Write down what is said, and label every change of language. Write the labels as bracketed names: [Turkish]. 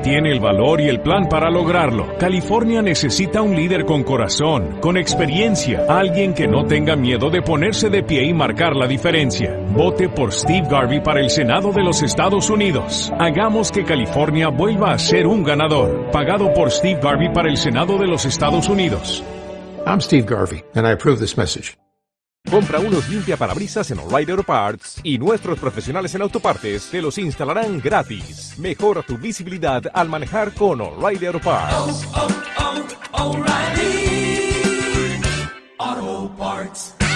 [Spanish] Tiene el valor y el plan para lograrlo. California necesita un líder con corazón, con experiencia, alguien que no tenga miedo de ponerse de pie y marcar la diferencia. Vote por Steve Garvey para el Senado de los Estados Unidos. Hagamos que California vuelva a ser un ganador. Pagado por Steve Garvey para el Senado de los Estados Unidos. [English] I'm Steve Garvey, and I approve this message. [Spanish] Compra unos limpiaparabrisas en O'Reilly Auto Parts y nuestros profesionales en autopartes te los instalarán gratis. Mejora tu visibilidad al manejar con O'Reilly Auto Parts. Oh, oh, oh, O'Reilly Auto Parts.